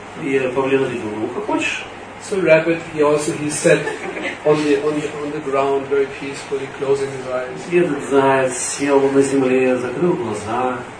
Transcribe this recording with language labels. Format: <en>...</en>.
<ru>И павлин ответил, ну, как хочешь.</ru> <en>So rabbit, he sat on the ground very peacefully, closing his eyes.</en> <ru>И этот заяц сел на земле, закрыл глаза.</ru>